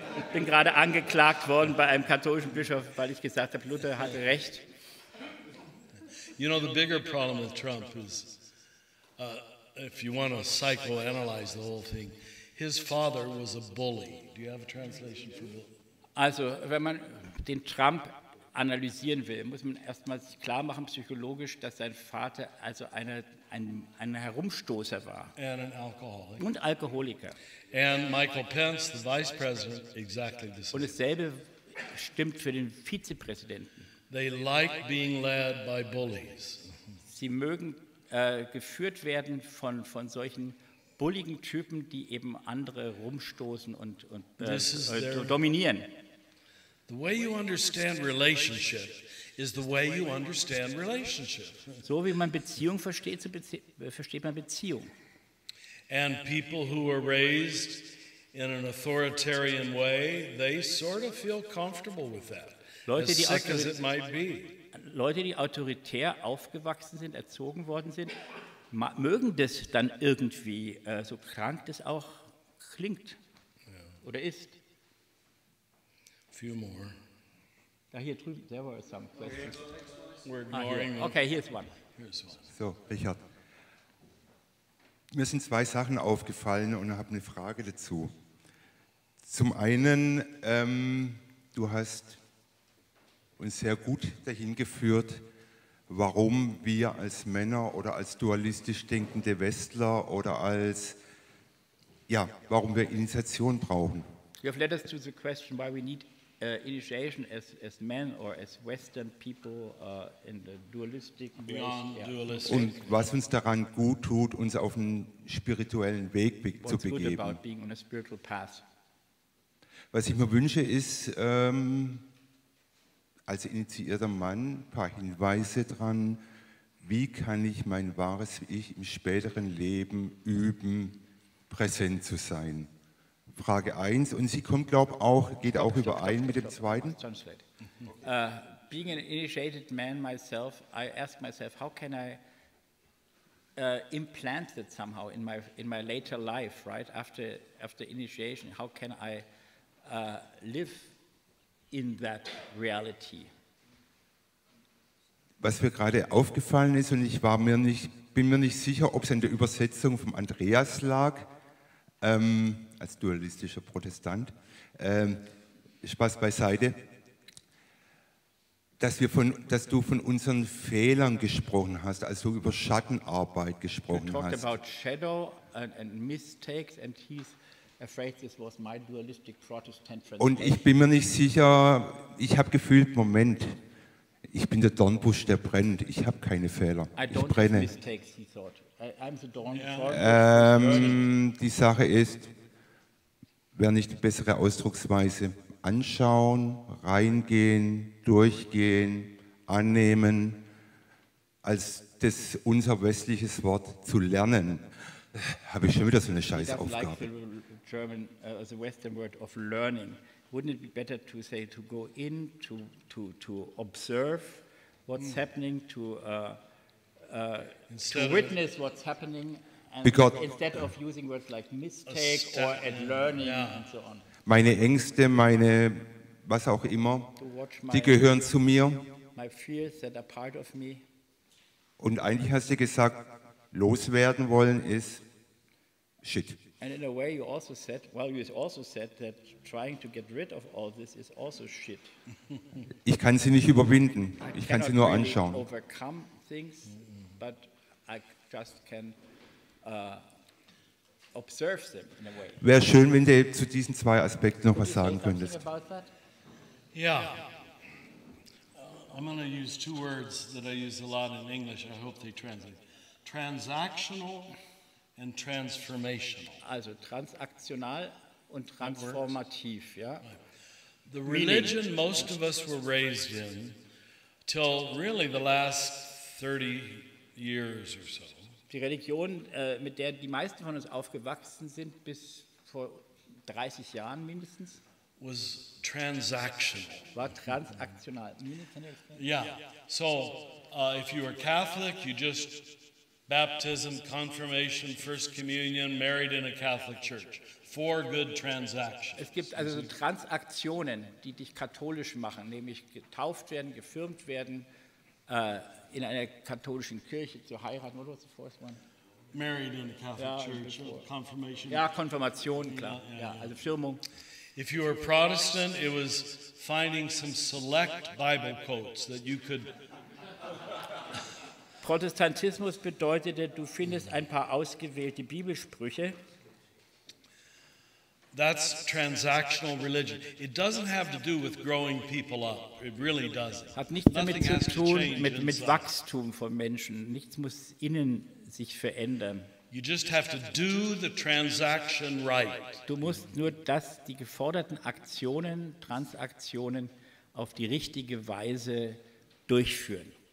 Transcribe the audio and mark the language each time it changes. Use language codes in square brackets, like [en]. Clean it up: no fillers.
[de] Ich bin gerade angeklagt worden bei einem katholischen Bischof, weil ich gesagt habe, Luther hat recht. [en] You know, the bigger problem with Trump is... if you want to psychoanalyze the whole thing, his father was a bully. Do you have a translation for bully? [de] Also, wenn man den Trump analysieren will, muss man erstmal sich klar machen psychologisch, dass sein Vater also ein Herumstoßer war. [en] And an alcoholic. [de] Und Alkoholiker. [en] And Michael Pence, the vice president, exactly the same. [de] Und dasselbe stimmt für den Vizepräsidenten. [en] They like being led by bullies. [de] Sie mögen geführt werden von solchen bulligen Typen, die eben andere rumstoßen und dominieren. [en] The way you understand relationship is the way you understand relationship. [de] So wie man Beziehung versteht, so versteht man Beziehung. [en] And people who are raised in an authoritarian way, they sort of feel comfortable with that. [de] Leute, [en] as sick as it might be. [de] Leute, die autoritär aufgewachsen sind, erzogen worden sind, mögen das dann irgendwie, so krank das auch klingt oder ist. [en] Few more. [de] Da hier drüben, [en] there were some questions. We're ignoring them. Okay, here's one. So, Richard. [de] Mir sind zwei Sachen aufgefallen und habe eine Frage dazu. Zum einen, du hast... und sehr gut dahin geführt, warum wir als Männer oder als dualistisch denkende Westler oder als, ja, warum wir Initiation brauchen. [en] You have led us to the question why we need initiation as men or as Western people in the dualistic way. Dualistic. [de] Und was uns daran gut tut, uns auf einen spirituellen Weg zu begeben. [en] What's good about being on a spiritual path. [de] Was ich mir wünsche ist, als initiierter Mann ein paar Hinweise dran, wie kann ich mein wahres Ich im späteren Leben üben, präsent zu sein? Frage 1. Und sie kommt, glaube ich, auch, geht auch überein mit dem zweiten. [en] Being an initiated man myself, I ask myself, how can I implant that somehow in my later life, right? After initiation, how can I live in that reality. [de] Was mir gerade aufgefallen ist, und ich bin mir nicht sicher, ob es in der Übersetzung vom Andreas lag, als dualistischer Protestant, Spaß beiseite, dass du von unseren Fehlern gesprochen hast, also über Schattenarbeit gesprochen hast. [en] You talked about shadow and mistakes, and he's afraid this was my dualistic Protestant tradition. [de] Und ich bin mir nicht sicher, ich habe gefühlt, Moment, ich bin der Dornbusch, der brennt, ich habe keine Fehler, ich brenne. [en] Mistakes, he thought. I'm the Dornbusch. [de] Die Sache ist, wer nicht die bessere Ausdrucksweise anschauen, reingehen, durchgehen, annehmen, als das unser westliches Wort zu lernen, habe ich schon wieder so eine scheiß Aufgabe. [en] German, the Western word of learning. Wouldn't it be better to say to go in, to observe what's happening, to witness what's happening, and because, instead of using words like mistake or and learning yeah. and so on. [de] Meine Ängste, meine was auch immer, die gehören zu mir. [en] My fears that are part of me. [de] Und eigentlich hast du gesagt, loswerden wollen ist shit. [en] And in a way you also said, well, you also said that trying to get rid of all this is also shit. [de] Ich kann sie nicht überwinden. Ich kann sie nur [en] really [de] anschauen. [en] I cannot overcome things, but I just can observe them in a way. [de] Wäre schön, wenn du zu diesen zwei Aspekten noch was sagen könntest. Ja. [en] I'm going to use two words that I use a lot in English. I hope they translate. Transactional and transformational. [de] Also transaktional und transformativ, ja. [en] The religion most of us were raised in till really the last 30 years or so. [de] Die Religion, mit der die meisten von uns aufgewachsen sind, bis vor 30 Jahren mindestens, [en] was transactional. [de] War transaktional. [en] Yeah. So, if you were Catholic, you just baptism, confirmation, first communion, married in a Catholic church. Four good transactions. [de] Es gibt also so Transaktionen, die dich katholisch machen, nämlich getauft werden, gefirmt werden, in einer katholischen Kirche zu heiraten. [en] What was the first one? Married in a Catholic church, confirmation. [de] Ja, Konfirmation, klar. Ja, also Firmung. [en] If you were Protestant, it was finding some select Bible quotes that you could. [de] Protestantismus bedeutete, du findest ein paar ausgewählte Bibelsprüche. [en] That's transactional religion. It doesn't have to do with growing people up. It really doesn't. [de] Hat nichts damit zu tun mit Wachstum von Menschen. Nichts muss innen sich verändern. [en] You just have to do the transaction right. [de] Du musst nur das, die geforderten Aktionen, Transaktionen auf die richtige Weise durchführen.